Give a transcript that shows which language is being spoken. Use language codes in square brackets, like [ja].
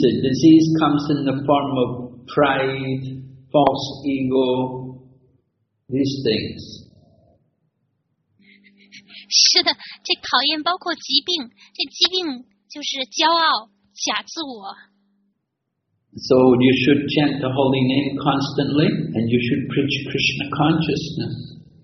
[en] The disease comes in the form of pride, false ego, these things. [zh] 是的，这考验包括疾病，这疾病就是骄傲、假自我。 [en] So you should chant the holy name constantly, and you should preach Krishna consciousness.